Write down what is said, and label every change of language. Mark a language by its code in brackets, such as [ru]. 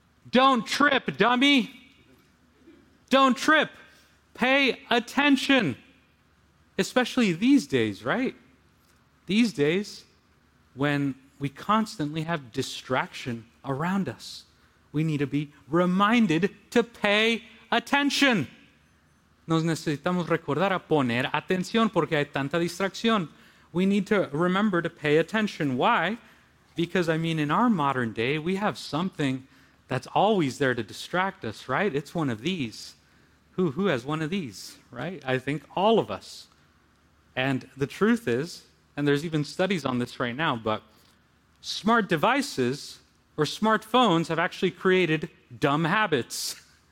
[en] Don't trip, dummy. Don't trip. Pay attention. Especially these days, right? These days when we constantly have distraction around us, we need to be reminded to pay attention. [es] Nos necesitamos recordar a poner atención porque hay tanta distracción. [en] We need to remember to pay attention. Why? Because, I mean, in our modern day, we have something that's always there to distract us, right? It's one of these. Who has one of these, right? I think all of us. And the truth is, and there's even studies on this right now, but smart devices or smartphones have actually created dumb habits.